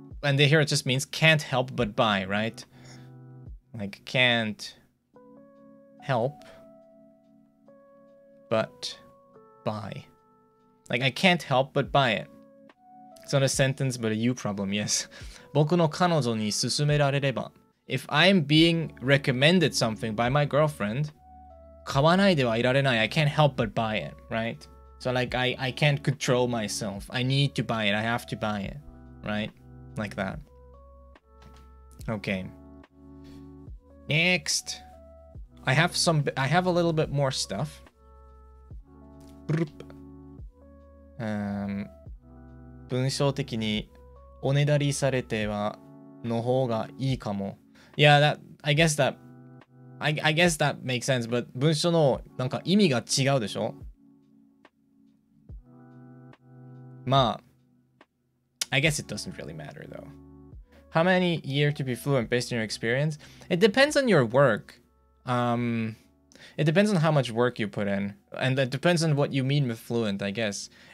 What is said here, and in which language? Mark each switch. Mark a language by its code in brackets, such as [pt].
[en] And here it just means can't help but buy, right? Like can't help but buy. Like I can't help but buy it. It's not a sentence, but a you problem, yes. [ja] 僕の彼女に勧められれば. [en] If I'm being recommended something by my girlfriend, [ja] 買わないではいられない. [en] I can't help but buy it, right? So like I can't control myself. I need to buy it. I have to buy it, right? Like that. Okay. Next, I have a little bit more stuff. Burp. [ja] 文章的におねだりされてはの方がいいかも。 [en] Yeah, that I guess that I guess that makes sense. [ja] But 文章のなんか意味が違うでしょ。 [en] まあ、I guess it doesn't really matter though. How many years to be fluent based on your experience? It depends on your work. It depends on how much work you put in. And it depends on what you mean with fluent, I guess.